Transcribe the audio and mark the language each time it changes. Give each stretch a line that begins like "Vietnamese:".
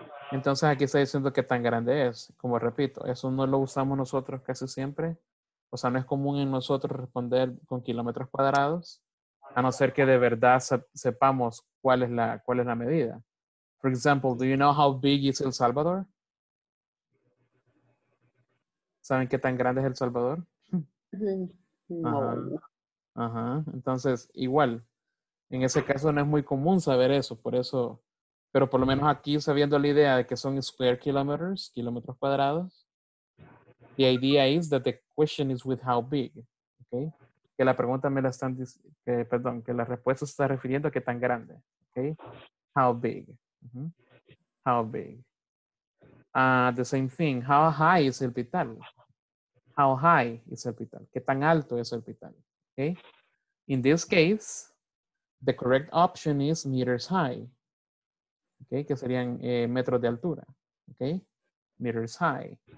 Spanish: Entonces aquí está diciendo qué tan grande es. Como repito, eso no lo usamos nosotros casi siempre. O sea, no es común en nosotros responder con kilómetros cuadrados, a no ser que de verdad sepamos cuál es la medida.
English: For example, do you know how big is El Salvador?
Spanish: ¿Saben qué tan grande es El Salvador? No. Entonces, igual, en ese caso no es muy común saber eso, por eso... Pero por lo menos aquí, sabiendo la idea de que son
English: square kilometers,
Spanish: kilómetros cuadrados,
English: the idea is that the question is with how big, okay?
Spanish: Que la pregunta me la están, que la respuesta se está refiriendo a qué tan grande, okay?
English: How big, how big. The same thing, how high is El Pital? How high is El Pital?
Spanish: Qué tan alto es El Pital,
English: okay? In this case, the correct option is meters high.
Spanish: Okay, que serían metros de altura. Okay,
English: meters high.